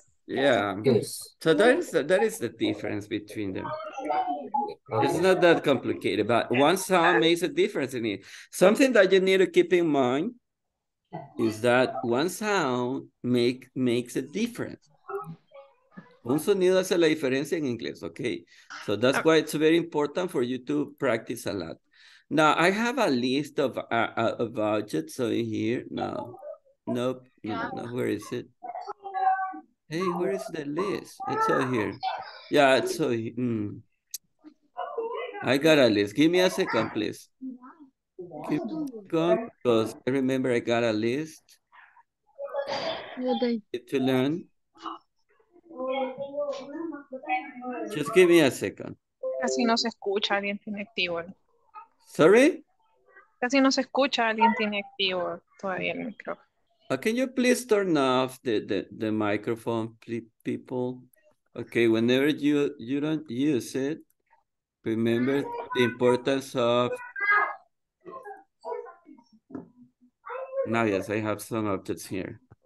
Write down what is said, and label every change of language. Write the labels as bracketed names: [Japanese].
[English] Yeah. Kiss. So that is the difference between them. It's not that complicated, but one sound makes a difference in it. Something that you need to keep in mind is that one sound makes a difference. [Spanish] Un sonido hace la diferencia en inglés, okay? [English] So that's why it's very important for you to practice a lot. Now, I have a list of objects over here. No, where is it? Hey, where is the list? It's over here. Yeah, it's over here. I got a list. Give me a second, please. Keep going, because I remember I got a list. Need to learn. Just give me a second. [Spanish] Casi no se escucha alguien tiene activo. [English] Sorry? [Spanish] Casi no se escucha alguien tiene activo todavía el micrófono. [English] Can you please turn off the microphone, please, people? Okay, whenever you don't use it, remember the importance of... Now, yes, I have some objects here.